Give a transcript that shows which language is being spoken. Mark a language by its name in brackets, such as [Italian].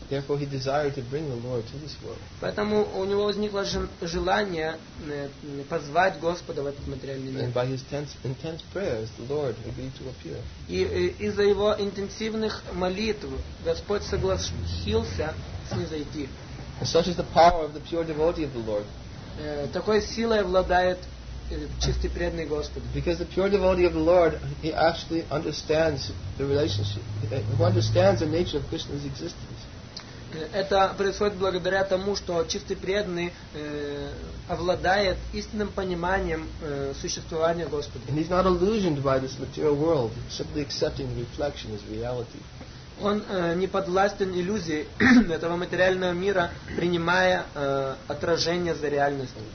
[English] Therefore he desired to bring the Lord to this world. [Russian] Поэтому у него возникло желание позвать Господа в этот материальный мир. [English] And by his intense prayers, the Lord agreed to appear. [Russian] И из-за его интенсивных молитв Господь согласился снизойти. [English] Such is the power of the pure devotee of the Lord. [Russian] Такой силой обладает чистый преданный Господь. [English] Because the pure devotee of the Lord, he actually understands the relationship. He understands the nature of Krishna's existence. [Russian] Это происходит благодаря тому, что чистый преданный обладает истинным пониманием существования Господа. [English] And he's not illusioned by this material world, simply accepting the reflection as reality. [Russian] Он не подвластен иллюзии этого материального мира, принимая отражение за реальность.